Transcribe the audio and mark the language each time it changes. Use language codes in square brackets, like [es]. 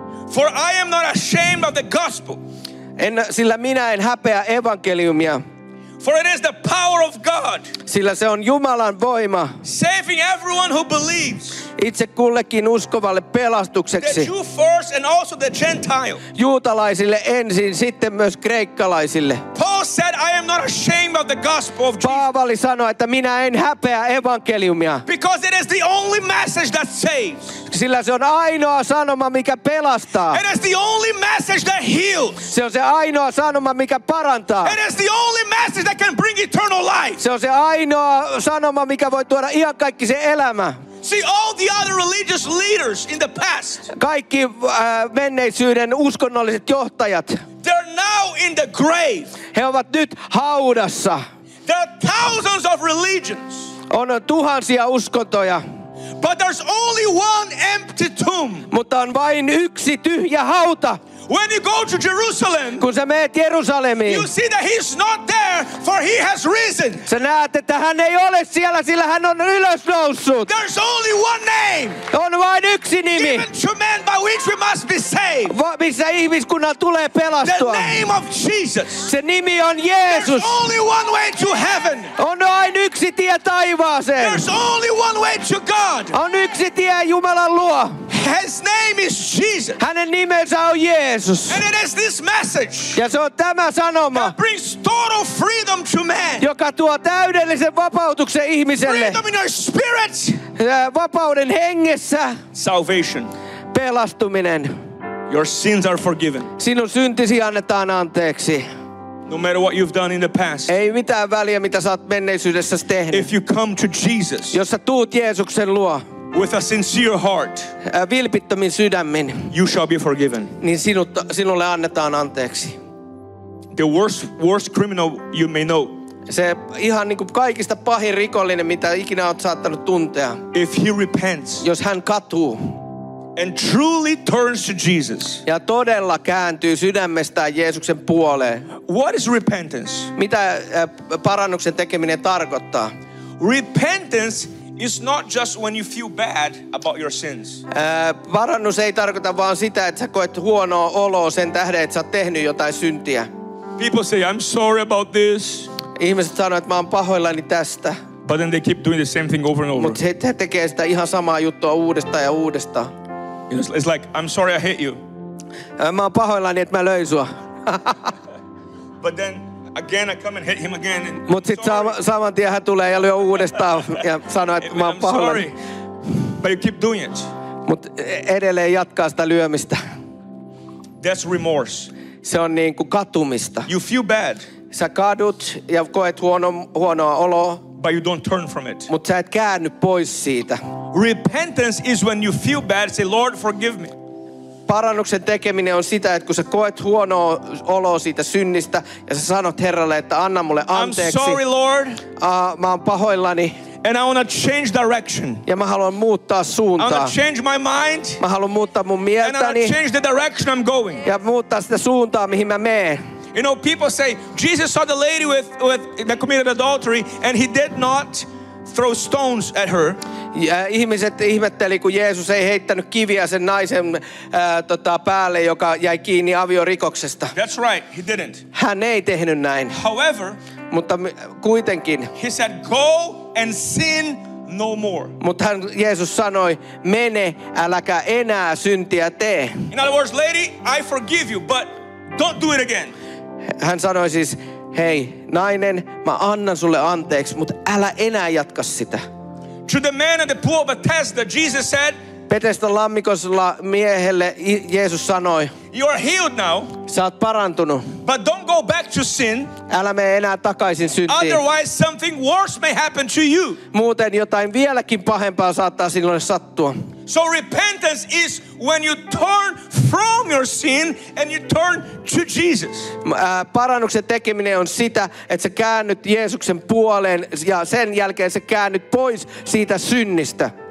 [en] For I am not ashamed of the gospel. [fi] En, sillä minä en häpeä evankeliumia. [en] For it is the power of God. [fi] Sillä se on Jumalan voima. [en] Saving everyone who believes. [fi] Itse kullekin uskovalle pelastukseksi. [en] The Jew first and also the Gentile. [fi] Juutalaisille ensin, sitten myös kreikkalaisille. [en] Paul said, I am not ashamed of the gospel of Jesus. [fi] Paavali sanoi, että minä en häpeä evankeliumia. [en] Because it is the only message that saves. [fi] Sillä se on ainoa sanoma, mikä pelastaa. [en] It is the only message that heals. [fi] Se on se ainoa sanoma, mikä parantaa. [en] It is the only message that can bring eternal life. [fi] Se on se ainoa sanoma, mikä voi tuoda iankaikkisen elämä. [en] See all the other religious leaders in the past. [fi] Kaikki menneisyyden uskonnolliset johtajat. [en] They're now in the grave. [fi] He ovat nyt haudassa. [en] There are thousands of religions. [fi] On tuhansia uskontoja. [en] But there's only one empty tomb. [fi] Mutta on vain yksi tyhjä hauta. [en] When you go to Jerusalem, [fi] kun sä meet Jerusalemiin, [en] you see that he's not there, for he has risen. [fi] Sä näet, että hän ei ole siellä, sillä hän on ylösnoussut. [en] There's only one name. [fi] On vain yksi nimi. [en] Given to men by which we must be saved. [fi] Missä ihmiskunnan tulee pelastua. [en] The name of Jesus. [fi] Se nimi on Jeesus. [en] There's only one way to heaven. [fi] On vain yksi tie taivaaseen. [en] There's only one way to God. [fi] On yksi tie Jumalan luo. [en] His name is Jesus. [fi] Hänen nimensä on Jeesus. [en] And it is this message. [fi] Ja se on tämä sanoma. [en] That brings total freedom to man. [fi] Joka tuo täydellisen vapautuksen ihmiselle. [en] Freedom in our spirit. [fi] Vapauden hengessä. [en] Salvation. [fi] Pelastuminen. [en] Your sins are forgiven. [fi] Sinun syntisi annetaan anteeksi. [en] No matter what you've done in the past. [fi] Ei mitään väliä mitä sä oot menneisyydessä tehnyt. [en] If you come to Jesus. [fi] Jos sä tuut Jeesuksen luo. [en] With a sincere heart. [fi] Vilpittömin sydämin. [en] You shall be forgiven. [fi] Niin sinulle annetaan anteeksi. [en] The worst criminal you may know. [fi] Se ihan niinku kaikista pahin rikollinen mitä ikinä oot saattanut tuntea. [en] If he repents. [fi] Jos hän katuu. [en] And truly turns to Jesus. [fi] Ja todella kääntyy sydämestään Jeesuksen puoleen. [en] What is repentance? [fi] Mitä parannuksen tekeminen tarkoittaa? [en] Repentance is not just when you feel bad about your sins. [fi] Parannus ei tarkoita vaan sitä, että sä koet huonoa oloa sen tähden, että sä oot tehnyt jotain syntiä. [en] People say I'm sorry about this. [fi] Ihmiset sanoo, että mä oon pahoillani tästä. [en] But then they keep doing the same thing over and over. [fi] Mut he tekee sitä ihan samaa juttua uudestaan ja uudestaan. [en] It's like I'm sorry I hit you. [fi] Mä oon pahoillani, että mä löin sua. [en] But then again, I come and hit him again. [fi] Mut sit saman tien hän tulee ja lyö uudestaan ja sanoo, että mä oon pahoillani. [en] But you keep doing it. [fi] Mut edelleen jatkaa sitä lyömistä. [en] That's remorse. [fi] Se on niin kuin katumista. [en] You feel bad. [fi] Sä kadut ja koet huonoa oloa. [en] But you don't turn from it. [fi] Mut sä et käänny pois siitä. [en] Repentance is when you feel bad. Say, Lord, forgive me. [fi] Parannuksen tekeminen on sitä, että kun sä koet huonoa oloa siitä synnistä ja sä sanot Herralle, että anna mulle anteeksi. [en] I'm sorry, Lord. [fi] Mä oon pahoillani. [en] And I want to change direction. [fi] Ja mä haluan muuttaa suuntaa. [en] I want to change my mind. [fi] Mä haluan muuttaa mun mieltäni. [en] And I want to change the direction I'm going. [fi] Ja muuttaa sitä suuntaa, mihin mä meen. [en] You know, people say Jesus saw the lady with that committed adultery and he did not throw stones at her. [fi] Ja ihmiset ihmetteli, kun Jeesus ei heittänyt kiviä sen naisen päälle, joka jäi kiinni aviorikoksesta. [en] That's right, he didn't. [fi] Hän ei tehnyt näin. [en] However, [fi] mutta kuitenkin. [en] He said go and sin no more. [fi] Mutta hän Jeesus sanoi, mene, äläkä enää syntiä tee. [en] In other words, lady, I forgive you, but don't do it again. [fi] Hän sanoi siis, hei, nainen, mä annan sulle anteeksi, mutta älä enää jatka sitä. [en] To the man at the pool of Bethesda, Jesus said, [fi] Bethesda lammikosla miehelle Jeesus sanoi, [en] you are healed now. [fi] Sä oot parantunut. [en] But don't go back to sin. [fi] Älä mene enää takaisin syntiin. [en] Otherwise something worse may happen to you. [fi] Muuten jotain vieläkin pahempaa saattaa sinulle sattua. [en] So repentance is when you turn from your sin and you turn to Jesus. [fi] Parannuksen tekeminen on sitä, että sä käännyt Jeesuksen puoleen ja sen jälkeen sä käännyt pois siitä synnistä.